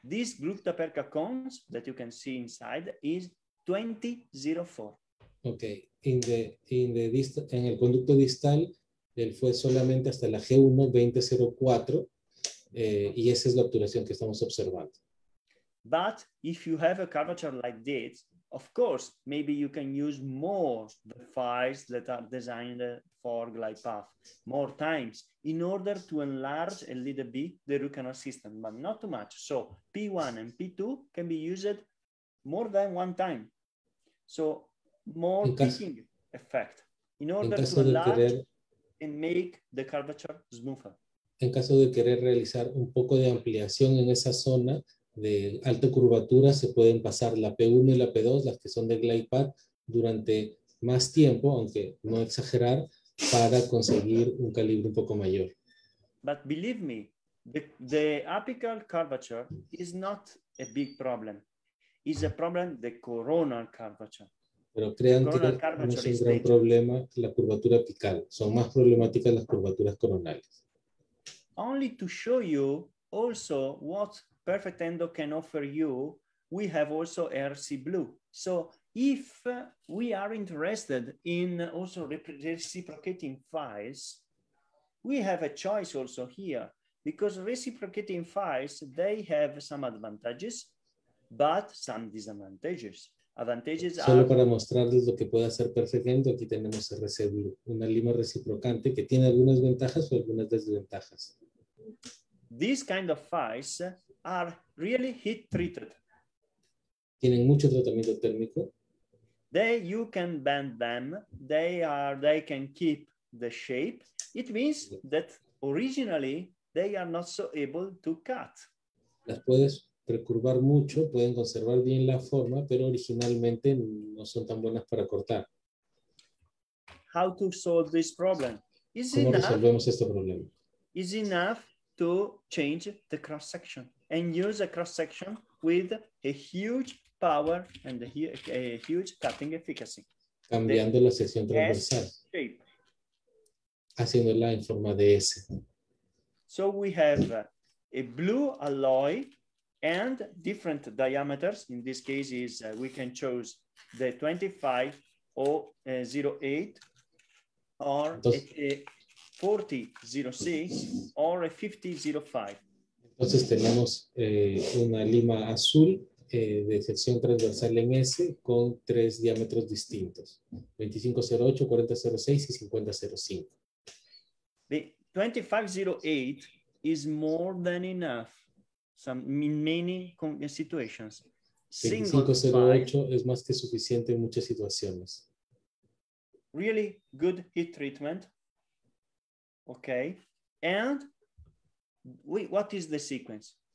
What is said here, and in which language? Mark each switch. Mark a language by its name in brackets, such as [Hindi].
[English] This group Taperka cones that you can see inside is 2004. [Spanish] Okay, en el conducto distal, él fue solamente hasta la G1 2004, y esa es la obturación que estamos observando. [English] But if you have a curvature like this, of course, maybe you can use more the files that are designed for glide path more times in order to enlarge a little bit the root canal system, but not too much. So P1 and P2 can be used more than one time. So more picking effect in order to enlarge and make the curvature smoother. [Spanish] En caso de querer realizar un poco de ampliación en esa zona de alta curvatura, se pueden pasar la P1 y la P2, las que son de glide path, durante más tiempo, aunque no exagerar, para conseguir un calibre un poco mayor. [English] But believe me, the apical curvature is not a big problem. It's a problem the coronal curvature. [Spanish] Pero crean que no es un gran problema la curvatura apical. Son más problemáticas las curvaturas coronales. [English] Only to show you also what Perfect Endo can offer you, we have also RC Blue. So if we are interested in also reciprocating files, we have a choice also here, because reciprocating files, they have some advantages, but some disadvantages. Advantages are... [Spanish] Solo para mostrarles lo que puede hacer Perfect Endo, aquí tenemos RC Blue, una lima reciprocante que tiene algunas ventajas o algunas desventajas. [English] These kind of files are really heat treated. [Spanish] Tienen mucho tratamiento térmico. [English] They, you can bend them. They are, they can keep the shape. It means that originally they are not so able to cut. [Spanish] Las puedes recurvar mucho, pueden conservar bien la forma, pero originalmente no son tan buenas para cortar. [English] How to solve this problem? Is [Spanish] ¿Cómo [English] enough, [Spanish] resolvemos este problema? [English] Is enough to change the cross section and use a cross section with a huge power and a huge cutting efficacy. [Spanish] Cambiando la sección transversal. Haciéndola en forma de S. [English] So we have a blue alloy and different diameters. In this case, is we can choose the 25 or 08 or a 40-06 or a 50-05. [Spanish] Entonces tenemos una lima azul de sección transversal en S con tres diámetros distintos. 25-08, 40-06 y 50-05. [English] The 25-08 is more than enough in many situations. [Spanish] 25-08 es más que suficiente en muchas situaciones. [English] Really good heat treatment. Okay, and what is the sequence?